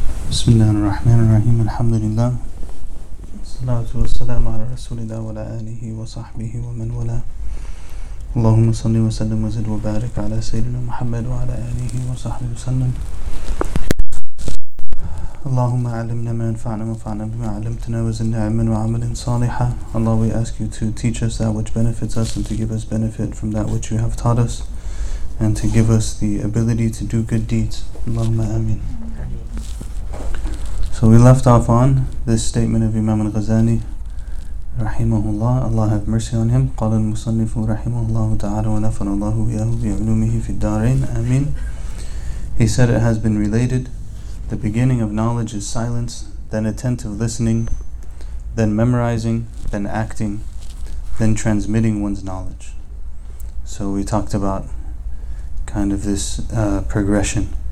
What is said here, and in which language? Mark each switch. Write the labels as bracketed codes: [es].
[ar] بسم الله الرحمن الرحيم الحمد لله والصلاة والسلام على رسول الله وعلى آله وصحبه ومن والاه اللهم صل وسلم وزد وبارك على سيدنا محمد وعلى آله وصحبه وسلم اللهم علمنا ما ينفعنا وانفعنا بما علمتنا وزدنا علما وعملا صالحا. [en] Allah, we ask you to teach us that which benefits us and to give us benefit from that which you have taught us and to give us the ability to do good deeds. Allahumma amin. So we left off on this statement of Imam al-Ghazali rahimahullah, Allah have mercy on him. [ar] قال المصنف رحمه الله تعالى ونفر الله إياه بعلومه في الدارين آمين. [en] He said, it has been related, the beginning of knowledge is silence, then attentive listening, then memorizing, then acting, then transmitting one's knowledge. So we talked about kind of this progression.